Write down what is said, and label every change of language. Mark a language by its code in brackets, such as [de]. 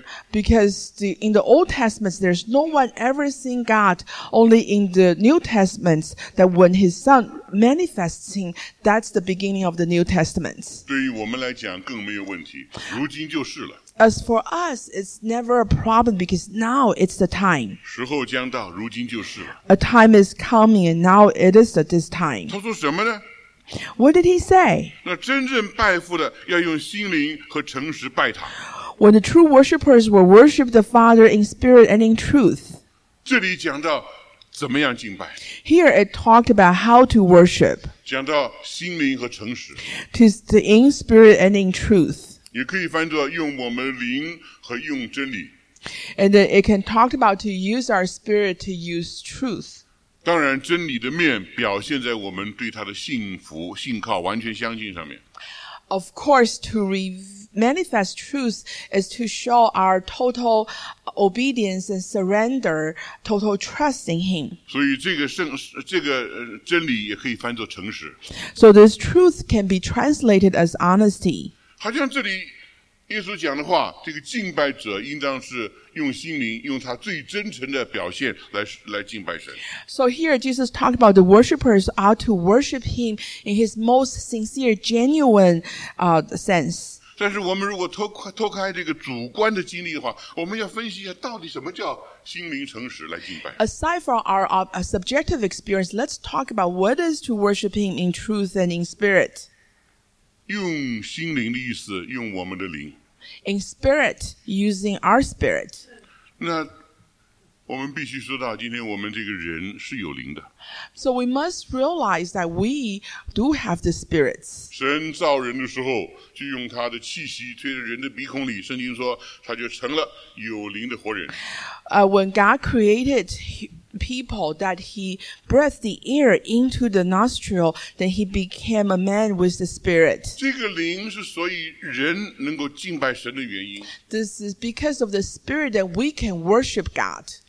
[en] Because in the Old Testament, there's no one ever seen God, only in the New Testament, that when his son manifests him, that's the beginning of the New Testament. [zh] 对于我们来讲更没有问题，如今就是了。 [en] As for us, it's never a problem because now it's the time. [zh] 时候将到，如今就是了。 [en] A time is coming and now it is this time. [zh] 他说什么呢？ [en] What did he say? [zh] 那真正拜父的要用心灵和诚实拜他。 [en] When the true worshippers will worship the Father in spirit and in truth. [zh] 这里讲到怎么样敬拜。 [en] Here it talked about how to worship. [zh] 讲到心灵和诚实。 [en] 'Tis in spirit and in truth. [zh] 也可以翻作用我们灵和用真理。 [en] And then it can talk about to use our spirit to use truth. [zh] 当然真理的面表现在我们对他的信服信靠完全相信上面。 [en] Of course, to manifest truth is to show our total obedience and surrender, total trust in him. [zh] 所以这个真理也可以翻作诚实。 [en] So this truth can be translated as honesty. [zh] 好像这里耶稣讲的话，这个敬拜者应当是用心灵，用他最真诚的表现来敬拜神。 [en] So here Jesus talked about the worshippers ought to worship him in his most sincere, genuine, sense. [zh] 但是我们如果脱开这个主观的经历的话，我们要分析一下到底什么叫心灵诚实来敬拜。 [en] Aside from our subjective experience, let's talk about what is to worship him in truth and in spirit. [zh] 用心灵的意思，用我们的灵。 [en] In spirit, using our spirit. [zh] 那我们必须说到，今天我们这个人是有灵的。 [en] So we must realize that we do have the spirits. [zh] 神造人的时候，就用他的气息吹在人的鼻孔里，圣经说他就成了有灵的活人。 [en] When God created people, that he breathed the air into the nostril, then he became a man with the spirit. [zh] 这个灵是所以人能够敬拜神的原因。 [en] This is because of the spirit that we can worship God.